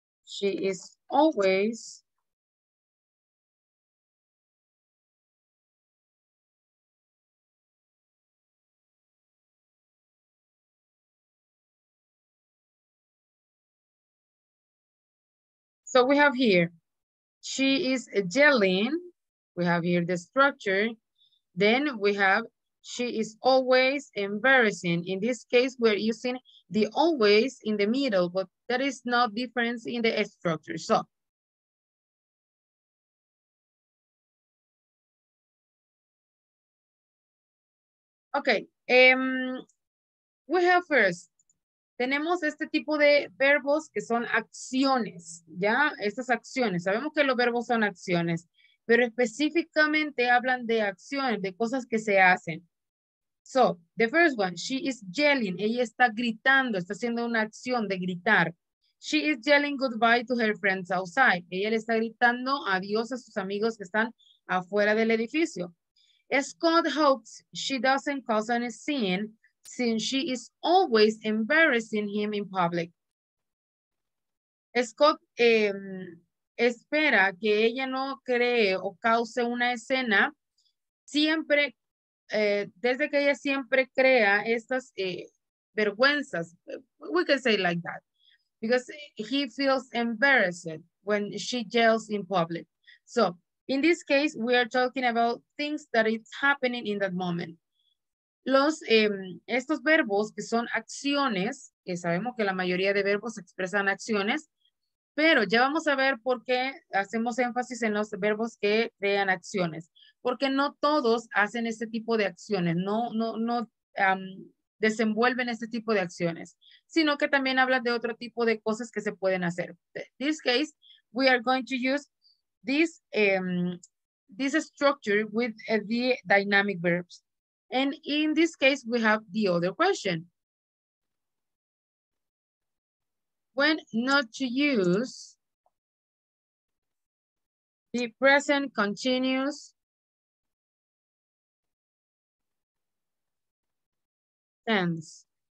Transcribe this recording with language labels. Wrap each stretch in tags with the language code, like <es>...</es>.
<en>she is always so we have here, she is yelling. We have here the structure. Then we have, she is always embarrassing. In this case, we're using the always in the middle, but there is no difference in the structure. So, okay, we have first,</en> <es>tenemos este tipo de verbos que son acciones, ¿ya? Estas acciones. Sabemos que los verbos son acciones, pero específicamente hablan de acciones, de cosas que se hacen.</es> <en>So, the first one, she is yelling.</en> <es>Ella está gritando, está haciendo una acción de gritar.</es> <en>She is yelling goodbye to her friends outside.</en> <es>Ella le está gritando adiós a sus amigos que están afuera del edificio.</es> <en>Scott hopes she doesn't cause any scene, since she is always embarrassing him in public.</en> <es>Scott espera que ella no cree o cause una escena siempre, desde que ella siempre crea estas vergüenzas.</es> <en>We can say like that. Because he feels embarrassed when she yells in public. So in this case, we are talking about things that is happening in that moment.</en> <es>Los, estos verbos que son acciones, que sabemos que la mayoría de verbos expresan acciones, pero ya vamos a ver por qué hacemos énfasis en los verbos que crean acciones. Porque no todos hacen este tipo de acciones, no desenvuelven este tipo de acciones, sino que también hablan de otro tipo de cosas que se pueden hacer.</es> <en>In this case, we are going to use this, this structure with the dynamic verbs. And in this case, we have the other question. When not to use the present continuous tense.</en>